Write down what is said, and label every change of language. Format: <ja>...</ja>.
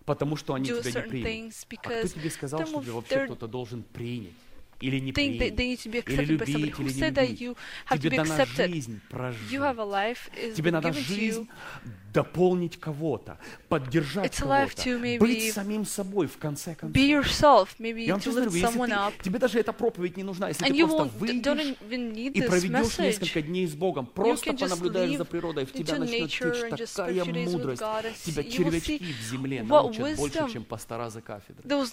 <ru>потому что они тебя не приняли. А кто тебе сказал, что тебя вообще кто-то должен принять или не принять, или любить, или не любить? Тебе дана жизнь прожить. Тебе надо жизнь дополнить кого-то, поддержать кого-то, быть самим собой в конце концов.</ru> <en>Be yourself, maybe to lift someone up.</en> <ru>Тебе даже эта проповедь не нужна, если ты просто выйдешь и проведешь несколько дней с Богом, просто понаблюдаешь за природой, в тебя начнет течь такая мудрость, тебя червячки в земле научат больше, чем пастора за кафедрой.</ru>